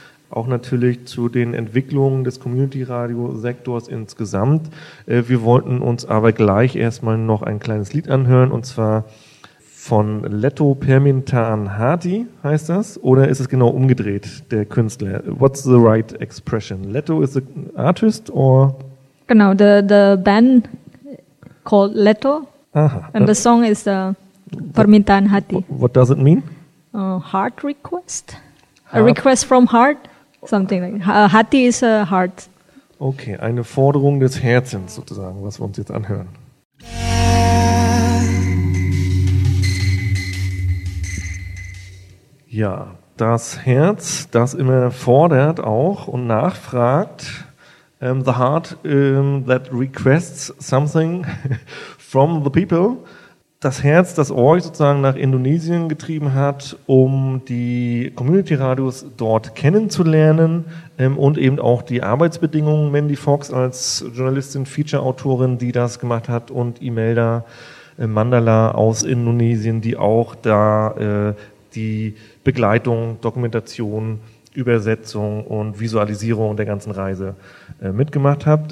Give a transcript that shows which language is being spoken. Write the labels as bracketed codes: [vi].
[de] Auch natürlich zu den Entwicklungen des Community-Radio-Sektors insgesamt. Wir wollten uns aber gleich erstmal noch ein kleines Lied anhören, und zwar von Leto Permintaan Hati, heißt das, oder ist es genau umgedreht, der Künstler? [en] What's the right expression? Leto is the artist, or? Genau, the band called Leto, aha, and the song is Permintaan Hati. What does it mean? Heart request? A request from heart? Something like Hati is a heart. [de] Okay, eine Forderung des Herzens sozusagen, was wir uns jetzt anhören. Ja, das Herz, das immer fordert auch und nachfragt. [en] The heart that requests something from the people. [de] Das Herz, das euch sozusagen nach Indonesien getrieben hat, um die Community-Radios dort kennenzulernen und eben auch die Arbeitsbedingungen. Mandy Fox als Journalistin, Feature-Autorin, die das gemacht hat, und Imelda Mandala aus Indonesien, die auch da die Begleitung, Dokumentation, Übersetzung und Visualisierung der ganzen Reise mitgemacht habt.